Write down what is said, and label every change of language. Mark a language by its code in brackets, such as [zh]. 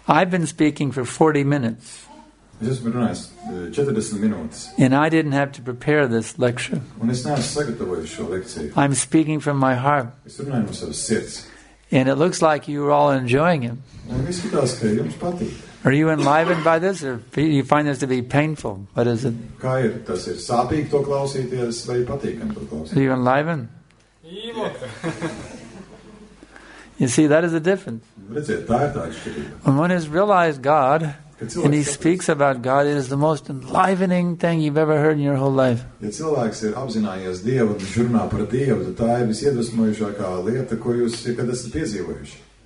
[en] I've been speaking for 40 minutes. [lv] Es esmu runājis 40 minūtes. [en] And I didn't have to prepare this lecture. [lv] Un es neesmu sagatavojis šo lekciju. [en] I'm speaking from my heart. [lv] Es runāju no savas sirds. [en] And it looks like you were all enjoying it. [lv] Un izskatās, ka jums patīk. [en] Are you enlivened by this, or do you find this to be painful? What is it? [lv] Kā ir? Tas ir sāpīgi to klausīties, vai patīkam to klausīties? [en] Are you enlivened? You see, that is the difference. [lv] Redziet, tā ir tā atšķirība. [en] When one has realized God, and he speaks about God, it is the most enlivening thing you've ever heard in your whole life. [lv] Ja cilvēks ir apzinājies Dievu un žurnā par Dievu, tad tā ir visiedvesmojušākā lieta, ko jūs kad esat piedzīvojuši.